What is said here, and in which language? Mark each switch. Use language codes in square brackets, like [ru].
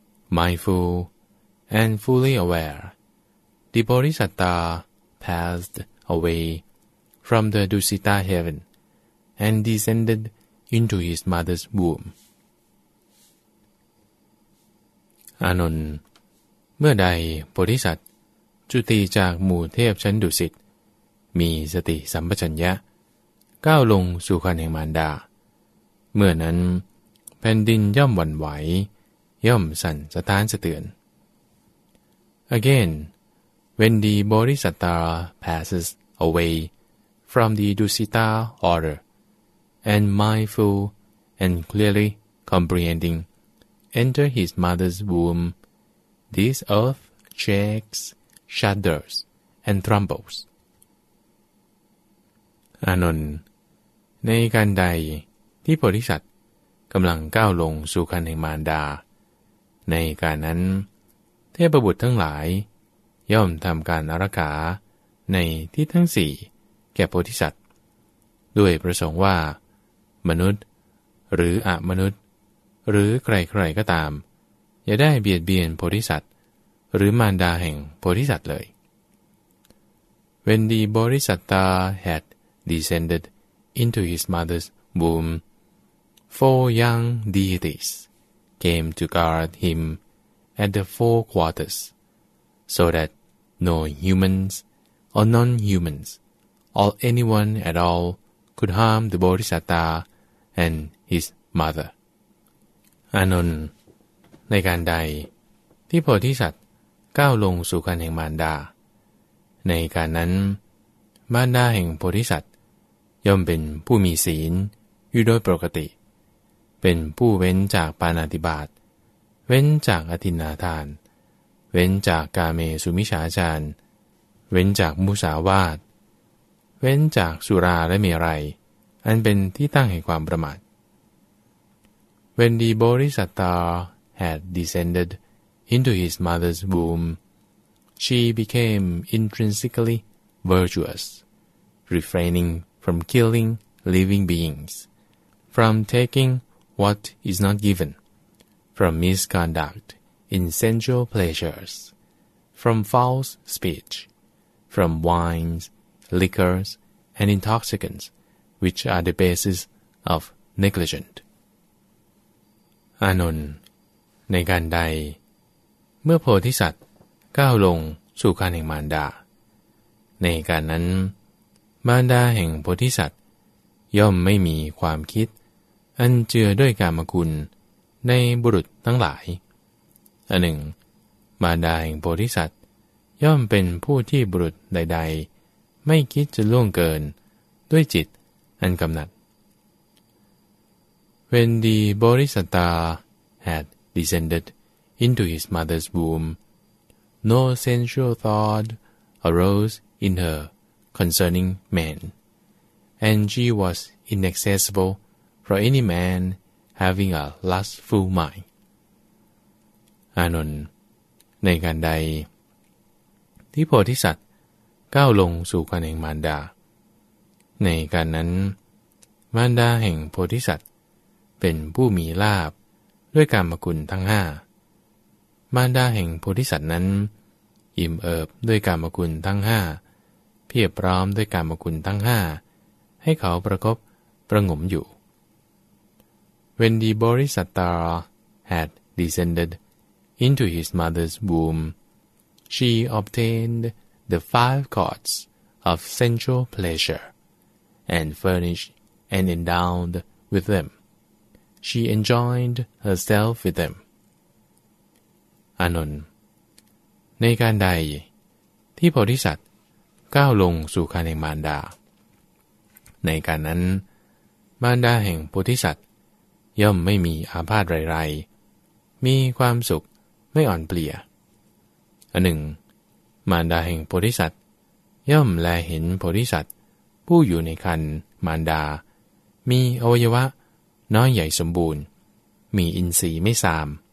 [en] Mindful and fully aware, the Bodhisatta passed away from the Dusita heaven and descended into his mother's womb. [th] Anon, เมื่อใดโพธิสัตว์จุติจากหมู่เทพชั้นดุสิตมีสติสัมปชัญญะก้าวลงสู่ครรภ์แห่งมารดาเมื่อนั้นแผ่นดินย่อมหวั่นไหวย่อมสั่นสะท้านสะเตือน [en] Again, when the Bodhisatta passes away from the Dusita order and mindful and clearly comprehending enter his mother's womb, this earth shakes, shudders, and trembles. [th] Anon, ในการใดที่โพธิสัตว์กำลังก้าวลงสู่ครรภ์แห่งมารดาในการนั้นเทพบุตรทั้งหลายย่อมทำการอารักขาในที่ทั้งสี่แก่โพธิสัตว์ด้วยประสงค์ว่ามนุษย์หรืออมนุษย์หรือใครๆก็ตามอย่าได้เบียดเบียนโพธิสัตว์หรือมารดาแห่งโพธิสัตว์เลย [en] When the Bodhisatta had descended into his mother's womb, four young deities came to guard himAt the four quarters, so that no humans or non-humans or anyone at all could harm the Bodhisatta and his mother. [th] Anon, ในการใดที่โพธิสัตว์ก้าวลงสู่ครรภ์แห่งมารดาในการนั้นมารดาแห่งโพธิสัตว์ย่อมเป็นผู้มีศีลอยู่โดยปกติเป็นผู้เว้นจากปาณาติบาตเว้นจากอทินนาทานเว้นจากกาเมสุมิชฌาจารเว้นจากมุสาวาทเว้นจากสุราและเมรัยอันเป็นที่ตั้งแห่งความประมาท [en] When the Bodhisatta had descended into his mother's womb, she became intrinsically virtuous, refraining from killing living beings, from taking what is not given. From misconduct in sensual pleasures, from false speech, from wines, liquors, and intoxicants, which are the basis of negligence. [th] Anon, ในการใดเมื่อโพธิสัตว์ก้าวลงสู่ครรภ์แห่งมารดาในการนั้นมารดาแห่งโพธิสัตว์ย่อมไม่มีความคิดอันเจือด้วยกามคุณในบุรุษทั้งหลายอันหนึ่งมารดาแห่งโพธิสัตว์ย่อมเป็นผู้ที่บุรุษใดๆไม่คิดจะล่วงเกินด้วยจิตอันกำหนัด [en] When the Bodhisatta had descended into his mother's womb, no sensual thought arose in her concerning men, and she was inaccessible for any manHaving a lustful mind. [th] Anon, ในการใดที่โพธิสัตว์ก้าวลงสู่ครรภ์แห่งมารดาในการนั้นมารดาแห่งโพธิสัตว์เป็นผู้มีลาภด้วยกามคุณทั้งห้ามารดาแห่งโพธิสัตว์นั้นอิ่มเอิบด้วยกามคุณทั้งห้าเพียบพร้อมด้วยกามคุณทั้งห้าให้เขาประคบประงมอยู่ [en] When the Bodhisatta had descended into his mother's womb, she obtained the five courts of sensual pleasure, and furnished and endowed with them. She enjoined herself with them. [th] Anon, ในการใดที่โพธิสัตว์ก้าวลงสู่ครรภ์แห่งมารดาในการนั้นมารดาแห่งโพธิสัตว์ย่อมไม่มีอาพาธไรๆมีความสุขไม่อ่อนเปลี่ยอันหนึ่งมารดาแห่งโพธิสัตว์ย่อมแลเห็นโพธิสัตว์ผู้อยู่ในครรภ์มารดามีอวัยวะน้อยใหญ่สมบูรณ์มีอินทรีย์ไม่ทราม